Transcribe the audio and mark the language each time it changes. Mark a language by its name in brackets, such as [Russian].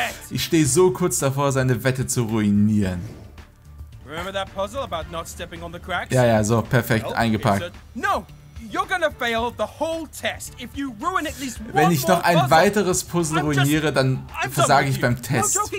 [German] Ich stehe so kurz davor, seine Wette zu ruinieren. [English] Remember that puzzle about not stepping on the cracks? [German] Ja, ja, so perfekt eingepackt. [English] No, you're gonna fail the whole test if you ruin at least one. [German] Wenn ich noch ein weiteres Puzzle ruiniere, dann versage ich beim Test.